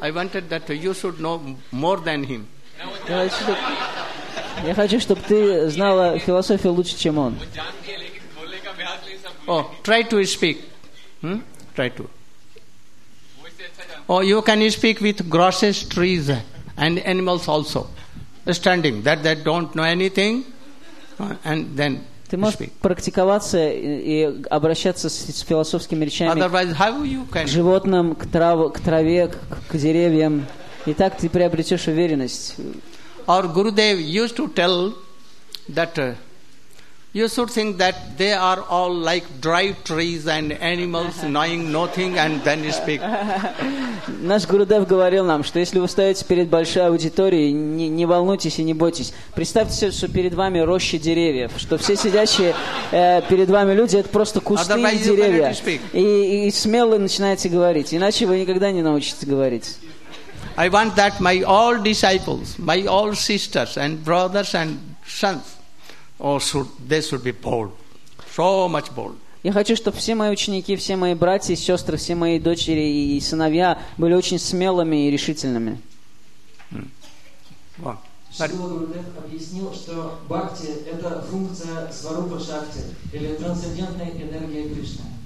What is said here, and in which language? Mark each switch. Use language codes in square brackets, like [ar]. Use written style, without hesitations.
[en] I wanted that you should know more than him. [ru] Я хочу, чтобы ты знала философию лучше, чем он. [en] Oh, try to speak. Try to. Oh, you can speak with grasses, trees, and animals also. Standing, that they don't know anything, and then [ru] ты можешь [en] speak. [ru] Практиковаться и обращаться с философскими речами. [en] Otherwise, how you can? [ru] К животным, к траве, к деревьям. И так ты приобретешь уверенность. [en] Our Gurudev used to tell that you should think that they are all like dry trees and animals knowing nothing and then speak. [ru] Наш Гурудев говорил нам, что если вы стоите перед большой аудиторией, не волнуйтесь и не бойтесь. Представьте себе, что перед вами рощи деревьев, что все сидящие перед вами люди это просто кусты и деревья. И смело начинаете говорить, иначе вы никогда не научитесь говорить. [en] I want that my all disciples, my all sisters and brothers and sons, they should be bold, so much bold. [ru] Я хочу, чтобы все мои ученики, все мои братья и сестры, все мои дочери и сыновья были очень смелыми и решительными. Объяснил, что бхакти – это функция сварупа шакти или трансцендентной энергии Кришны.